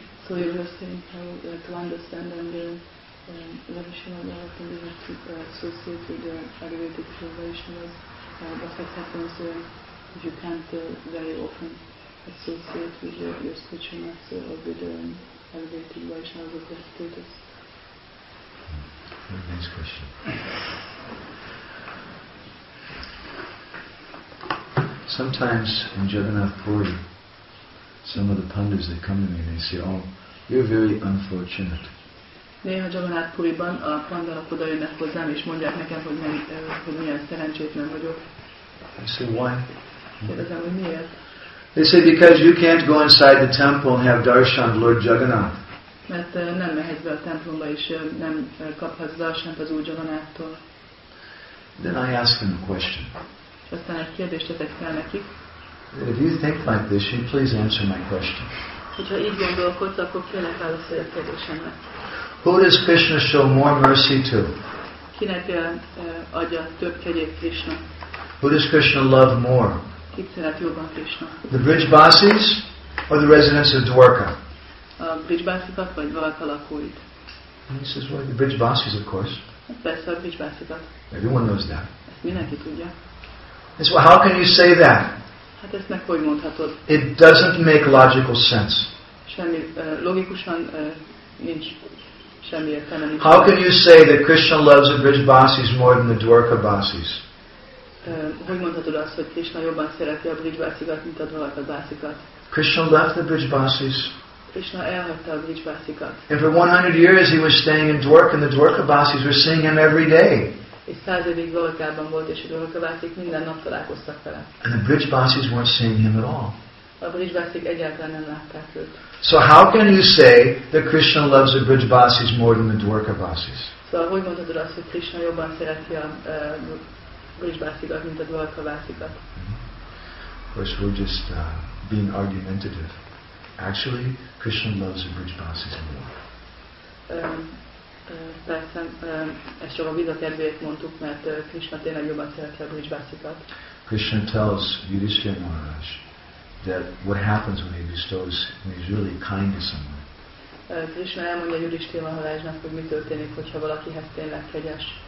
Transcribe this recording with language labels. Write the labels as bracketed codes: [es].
[en] So you were saying how to understand and Vaishnava can be associated with the aggregated Vaishnavas, but what happens if you can't very often associate with your spiritual master or with the aggregated Vaishnavas of that status? Very nice question. Sometimes in Jagannath Puri, some of the pandas that come to me, they say, oh, you're very unfortunate. [hu] Néha Jagannath Puriban a pandalok oda jönnek hozzám, és mondják nekem, hogy milyen szerencsétlen vagyok. [en] I say, why? [hu] Kérdezem, hogy miért? [en] They say, because you can't go inside the temple and have darshan of Lord Jagannath. [hu] Mert nem mehetsz be a templomba, és nem kaphatsz darshant az Úr Jagannáttól. [en] Then I ask them a question. [hu] És aztán egy kérdést tettek fel nekik. [en] If you think like this, you please answer my question. [hu] Hogyha így gondolkodsz, akkor kérlek válaszolj a kérdésemre. [en] Who does Krishna show more mercy to? [hu] Kinek adja több kegyét Krishna? [en] Who does Krishna love more? [hu] Kit szeret jobban Krishna? [en] The Brijbasis or the residents of Dwarka? [hu] A Brijbasikat vagy Dwarka lakóit? [en] He says, well, the Brijbasis, of course. [hu] Persze a Brijbasikat. [en] Everyone knows that. [hu] Ezt mindenki tudja. [en] He says, well, how can you say that? [hu] Hát ezt meg hogy mondhatod? [en] It doesn't make logical sense. [hu] Semmi logikusan nincs, semmi értelme nincs. [en] How can you say that Krishna loves the Brijbasis more than the Dwarkabasis? [hu] Hogy mondhatod azt, hogy Krishna jobban szereti a Brijbasikat, mint a Dwarkabasikat? [en] Krishna left the Brijbasis. [hu] Krishna elhagyta a Brijbasikat. [en] And for 100 years he was staying in Dwarka, and the Dwarkabasis were seeing him every day. [hu] És 100 évig Dwarkában volt, és a Dwarkabasik minden nap találkoztak vele. [en] And the Brijbasis weren't seeing him at all. [hu] a Vrijbasik egyáltalán nem látták őt. [en] So how can you say that Krishna loves the Vrijbasis more than the Dvarkavasis? [hu] Szóval hogy mondhatod azt, hogy Krishna jobban szereti a Vrijbasikat, mint a Dvarkavasikat? [en] Of course, we're just being argumentative. Actually, Krishna loves the Vrijbasis more. [hu] Persze, ezt csak a víz a kedvéért mondtuk, mert Krishna tényleg jobban szereti a Vrijbasikat. [en] Krishna tells Yudhisthira Maharaj that what happens when he bestows is really kindness on him. [hu] Krishna elmondja Yudhisthira Maharajnak, hogy mi történik, hogyha valakihez tényleg kegyes.